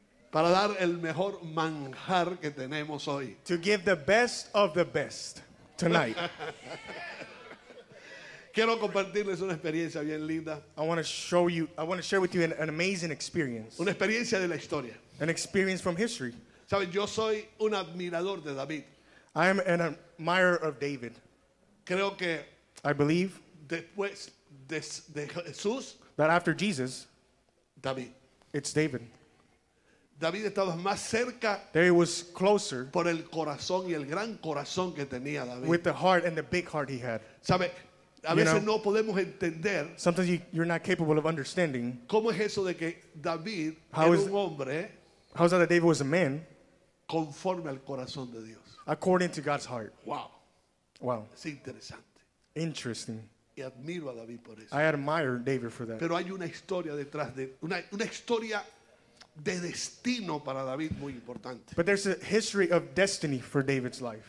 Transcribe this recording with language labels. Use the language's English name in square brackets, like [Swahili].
[Spanish] Para dar el mejor manjar que tenemos hoy. [English] To give the best of the best tonight. [Spanish] Quiero compartirles una experiencia bien linda. [English] I want to share with you an amazing experience. [Spanish] Una experiencia de la historia. [English] An experience from history. [Spanish] ¿Sabes? Yo soy un admirador de David. [English] I am an admirer of David. [Spanish] Creo que [English] I believe [Spanish] después de Jesús [English] that after Jesus [Spanish] David. [English] It's David. [Spanish] David estaba más cerca. [English] There he was closer. [Spanish] Por el corazón y el gran corazón que tenía David. [English] With the heart and the big heart he had. [Spanish] Sabe, a veces no podemos entender. [English] Sometimes you're not capable of understanding. [Spanish] ¿Cómo es eso de que David era un hombre? [English] How's that David was a man? [Spanish] Conforme al corazón de Dios. [English] According to God's heart. Wow. Wow. [Spanish] Es interesante. [English] Interesting. [Spanish] Y admiro a David por eso. [English] I admire David for that. [Spanish] Pero hay una historia detrás de una historia de destino para David muy importante. [English] But there's a history of destiny for David's life.